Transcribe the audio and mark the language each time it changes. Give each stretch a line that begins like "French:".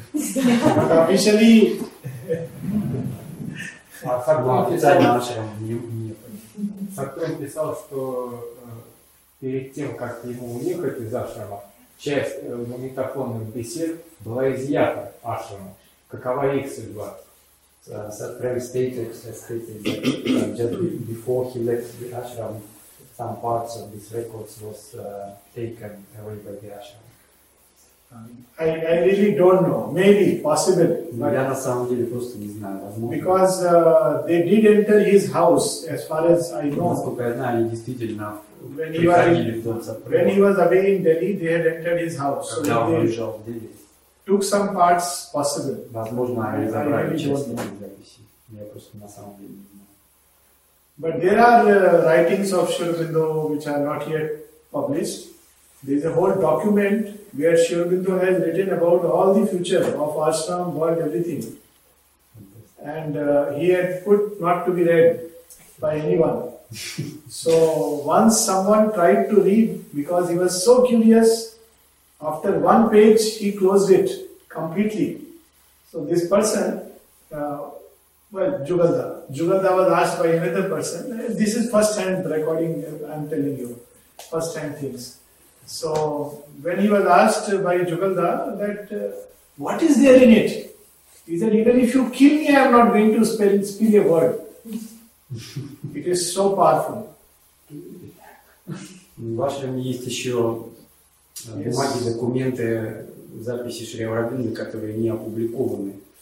Russian: Обещали. Сартон писал, что перед тем, как ему уехать из ашрама, часть магнитофонных бесед была изъята ашрама. Какова их судьба?
English: Сартон stated that just before he left the ashram, some parts of these records was taken away by the ashram. I really don't know. Maybe, possible. But
Russian: я на самом деле просто не знаю. Возможно.
English: Because they did enter his house, as far as I know.
Russian: Насколько я знаю, они действительно приходили в дом Сатпрева.
English: When he was away in Delhi, they had entered his house.
Russian: Когда он уезжал в Дели.
English: Took some parts, possible.
Russian: Возможно, они забрали часть записи. Я просто на самом деле не знаю.
English: But there are writings of Sri Aurobindo which are not yet published. There is a whole document where Sri Aurobindo has written about all the future of ashram, world, everything. And he had put not to be read by anyone. So once someone tried to read, because he was so curious, after one page he closed it completely. So this person, Jugalda was asked by another person, this is first hand recording, I am telling you, first hand things. So, when he was asked by Jugalda that what is there in it? He said, even if you kill me, I am not going to spill a word. It is so powerful.
Russian: В вашем есть еще бумаги, документы, записи Шри Аурабинды, которые не опубликованы.